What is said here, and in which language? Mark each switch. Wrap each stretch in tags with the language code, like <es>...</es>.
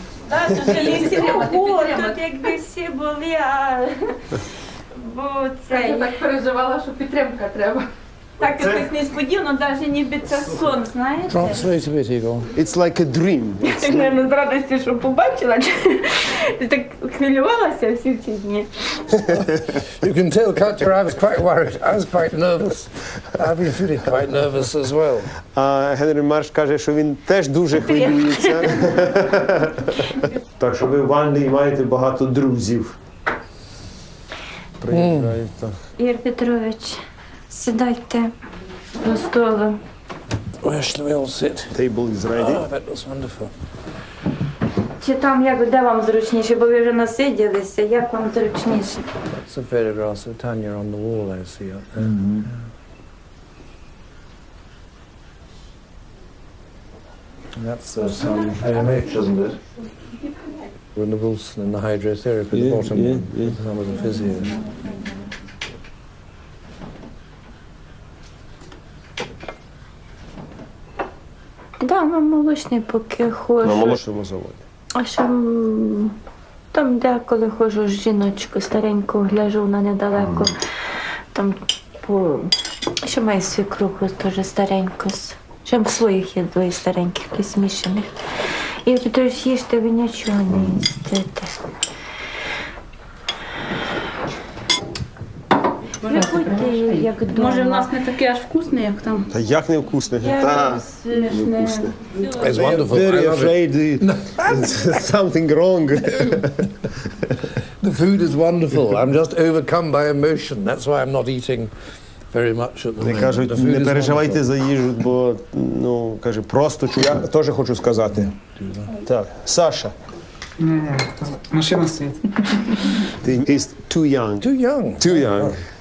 <uk>Так, тут є всі були. Тут якби всі були, а... Бо це... Я так переживала, що підтримка треба. Так, якось несподівано, навіть ніби це сон, знаєте?</uk> <en>Translate a bit, Ігор. It's like a dream.</en> <uk>Я, мабуть, з радості, що побачила. Ти так хвилювалася всі ці дні.</uk> <en>You can tell, Katya, I was quite worried. I was quite nervous. I've been feeling quite nervous as well.</en> <uk>Генрі Марш каже, що він теж дуже хвилюється. Так що ви в Англії маєте багато друзів. Приїжджаю, то. Ігор Петрович. Сідайте на столі.</uk> <en>Where shall we all sit? Table is ready. Oh, that was wonderful.</en> <uk>Чи там, як, де вам зручніше, бо ви вже насиділися, як вам зручніше?</uk> <en>It's a photograph of Tanya on the wall, I see. Mm-hmm. Yeah. That's the AMH, isn't it? We're in the Wilson and the hydrotherapy, the bottom one, with some of the physios.</en> <uk>Да, на молочний поки хожу. На молочному заводі. А що там деколи хожу з жіночкою стареньку, гляжу на недалеко. Mm. Там по ще має свікруху теж стареньку. Ще в своїх є двоє стареньких, якісь смішаних. І то ж є, що ви нічого не їздите. Може, в нас не такий аж вкусний, як там? Та як не вкусний? Та, не вкусний.</uk> <en>I'm very afraid something wrong. The food is wonderful. I'm just overcome by emotion. That's why I'm not eating very much at the moment.</en> <uk>Кажуть, не переживайте за їжу, бо, ну, каже, просто чую. Я теж хочу сказати. Так, Саша. Ні, машина стоїть.</uk> <en>He's too young. Too young? Too young.</en>